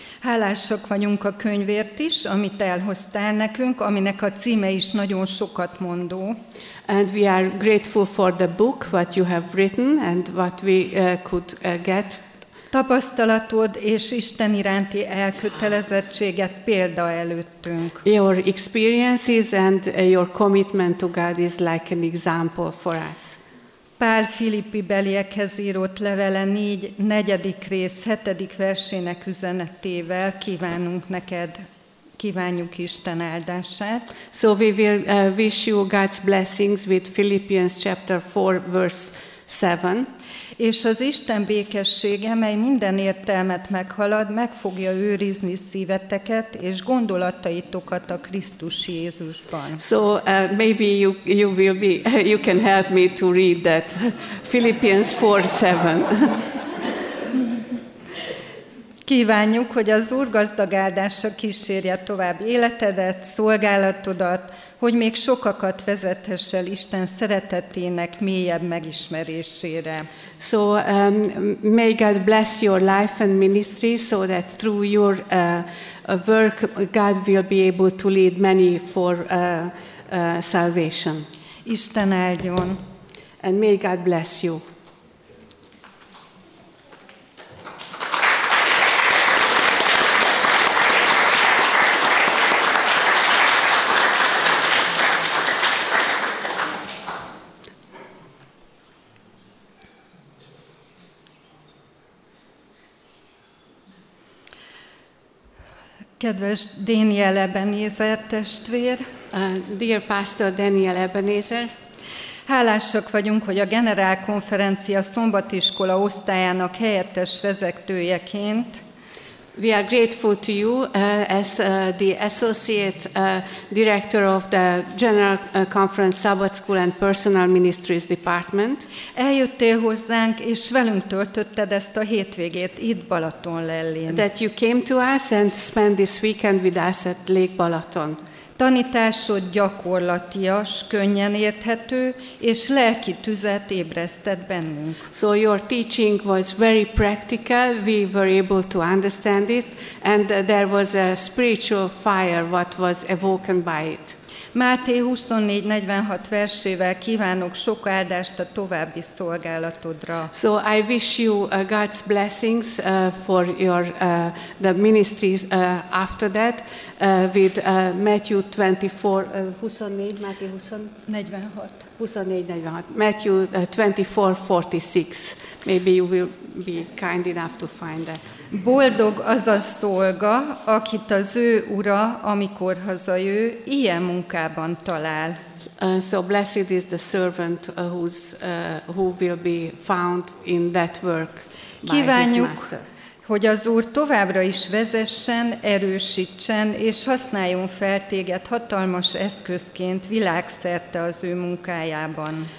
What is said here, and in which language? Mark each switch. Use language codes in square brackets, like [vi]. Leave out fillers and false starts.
[hu] Hálásak vagyunk a könyvért is, amit elhoztál nekünk, aminek a címe is nagyon sokat mondó. [en] And we are grateful for the book what you have written and what we could get. [hu] Tapasztalatod és Isten iránti elkötelezettséget példa előttünk. [en] Your experiences and your commitment to God is like an example for us. [hu] Pál Filippi beliekhez írott levele 4. rész 7. versének üzenetével kívánunk neked, kívánjuk Isten áldását. [en] So we will wish you God's blessings with Philippians chapter 4 verse 7. [hu] És az Isten békessége, mely minden értelmet meghalad, meg fogja őrizni szíveteket és gondolataitokat a Krisztus Jézusban. [en] So maybe you will be, you can help me to read that. Philippians 4:7. [hu] Kívánjuk, hogy az Úr gazdag áldása kísérje tovább életedet, szolgálatodat, hogy még sokakat vezethess el Isten szeretetének mélyebb megismerésére. [en] So may God bless your life and ministry so that through your work God will be able to lead many for salvation. [hu] Isten áldjon. [en] And may God bless you. [hu] Kedves Daniel Ebenezer testvér, [en] dear pastor Daniel Ebenezer, [hu] hálásak vagyunk, hogy a generál konferencia szombatiskola osztályának helyettes vezetőjeként. [en] We are grateful to you as the associate director of the General Conference Sabbath School and Personal Ministries Department. [hu] Eljöttél hozzánk és velünk töltötted ezt a hétvégét itt Balatonlellén. [en] That you came to us and spent this weekend with us at Lake Balaton. [hu] Tanításod gyakorlatias, könnyen érthető és lelki tüzet ébresztett bennünk. [en] So your teaching was very practical, we were able to understand it, and there was a spiritual fire what was awoken by it. [hu] Máté 24:46 versével kívánok sok áldást a további szolgálatodra. [en] So I wish you God's blessings for your the ministries after that with Matthew 24:46. Maybe you will be kind enough to find that. [hu] Boldog az a szolga, akit az ő ura, amikor hazajő, ilyen munkában talál. [en] So blessed is the servant who will be found in that work by [hu] Kívánjuk, [en] his master. [hu] Hogy az Úr továbbra is vezessen, erősítsen és használjon fel téged hatalmas eszközként világszerte az ő munkájában.